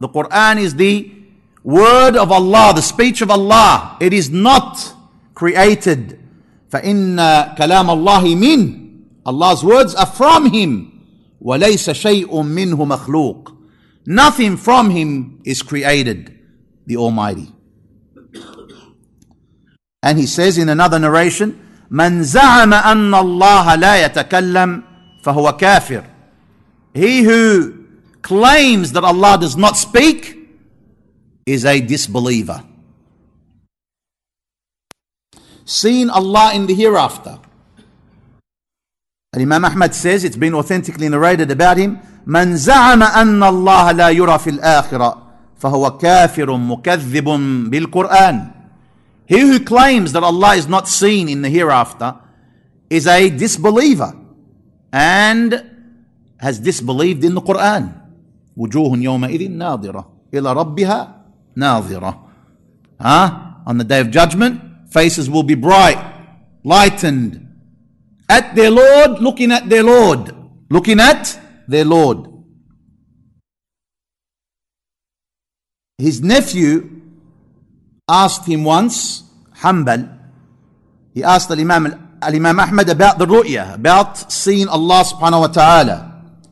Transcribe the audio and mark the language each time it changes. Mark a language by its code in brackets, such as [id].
[en] The Quran is the word of Allah, the speech of Allah. It is not created. [ar] فَإِنَّ كَلَامَ اللَّهِ مِنْ. [en] Allah's words are from Him. [ar] وَلَيْسَ شَيْءٌ مِّنْهُ مَخْلُوقٌ. [en] Nothing from Him is created, the Almighty. And He says in another narration, [ar] مَنْ زَعَمَ أَنَّ اللَّهَ لَا يَتَكَلَّمْ فَهُوَ كَافِرٌ. [en] He who claims that Allah does not speak is a disbeliever. Seeing Allah in the hereafter And Imam Ahmad says, it's been authentically narrated about him, [ar] من زعم أن الله لا يرى في الآخرة فهو كافر مكذب بالقرآن. [en] He who claims that Allah is not seen in the hereafter is a disbeliever and has disbelieved in the Quran. [ar] وجوه يومئذ ناظرة إلى ربها ناظرة. Huh? [en] On the day of judgment, faces will be bright, lightened, at their Lord, looking at their Lord, looking at their Lord. His nephew asked him once, Hanbal, he asked Al-Imam Ahmad about the ru'ya, about seeing Allah subhanahu wa ta'ala.